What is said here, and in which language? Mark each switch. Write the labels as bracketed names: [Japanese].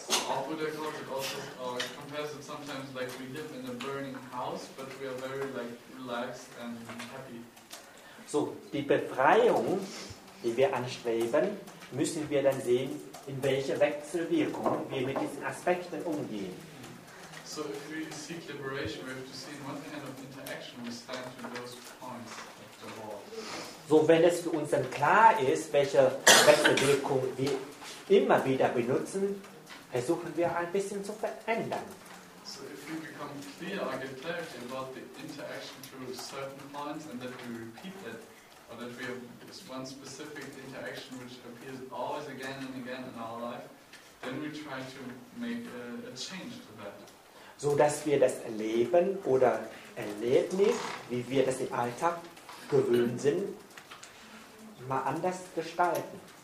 [English] Or Buddha calls it also, or compares it sometimes like we live in a burning house, but we are very like relaxed and happy. [German] So, die Befreiung, die wir anstreben, müssen wir dann sehen, in welche Wechselwirkung wir mit diesen Aspekten umgehen. [English] So, if we seek liberation, we have to see in what kind of interaction we stand to those points of the wall. [German] So, wenn es für uns dann klar ist, welche Wechselwirkung wir immer wieder benutzen, versuchen wir ein bisschen zu verändern. [English] So, if we become clear or get clarity about the interaction through certain points and that we repeat it, or that we have this one specific interaction which appears always again and again in our life, then we try to make a change to that. [German] So dass wir das Erleben oder Erlebnis, wie wir das im Alltag gewöhnt sind, mal anders gestalten.